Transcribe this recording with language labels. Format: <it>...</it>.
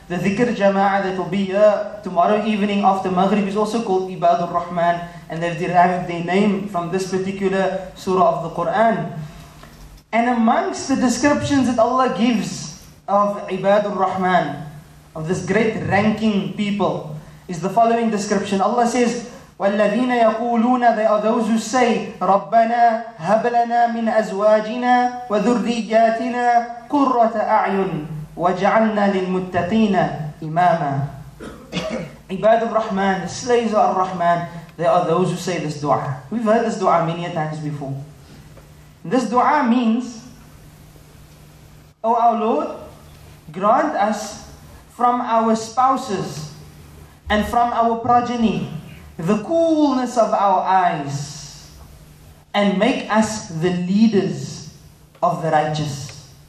<en>The dhikr jama'ah that will be tomorrow evening after Maghrib is also called Ibad al-Rahman, and they've derived their name from this particular surah of the Quran. And amongst the descriptions that Allah gives of Ibad al-Rahman, of this great ranking people, is the following description. Allah says,</en> <ar>والذين يقولون,</ar> <en>they are those who say,</en> <ar>ربنا هب لنا من أزواجنا وذرياتنا قرة أعين وجعلنا للمتقين إماما.</ar> <en>عباد الرحمن, slaves of Ar-Rahman, they are those who say this dua. We've heard this dua many times before. This dua means, O our Lord, grant us from our spouses and from our progeny the coolness of our eyes, and make us the leaders of the righteous.</en>